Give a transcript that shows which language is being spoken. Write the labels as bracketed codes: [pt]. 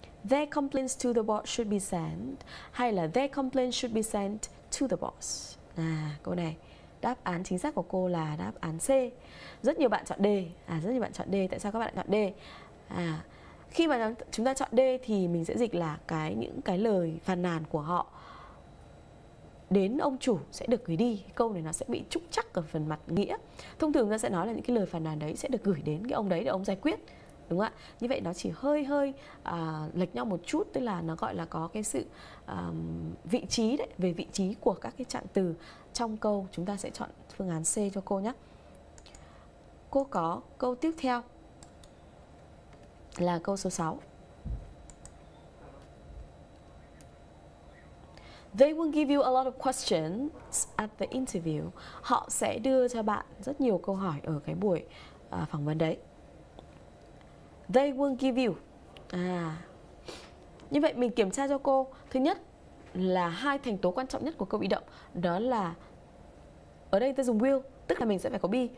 [en] Their complaints to the boss should be sent, [vi] hay là [en] their complaints should be sent to the boss. [vi] Câu này đáp án chính xác của cô là đáp án C. Rất nhiều bạn chọn D. Rất nhiều bạn chọn D. Tại sao các bạn lại chọn D? Khi mà chúng ta chọn D thì mình sẽ dịch là những cái lời phàn nàn của họ đến ông chủ sẽ được gửi đi. Câu này nó sẽ bị trúc trắc ở phần mặt nghĩa. Thông thường người ta sẽ nói là những cái lời phàn nàn đấy sẽ được gửi đến cái ông đấy để ông giải quyết, đúng không ạ? Như vậy nó chỉ hơi lệch nhau một chút, tức là nó gọi là có cái sự vị trí đấy, về vị trí của các cái trạng từ trong câu. Chúng ta sẽ chọn phương án C cho cô nhé. Cô có câu tiếp theo là câu số 6. [en] They will give you a lot of questions at the interview. [vi] Họ sẽ đưa cho bạn rất nhiều câu hỏi ở cái buổi phỏng vấn đấy. [en] They won't give you. [vi] Như vậy mình kiểm tra cho cô. Thứ nhất là hai thành tố quan trọng nhất của câu bị động, đó là ở đây ta dùng will, tức là mình sẽ phải có be.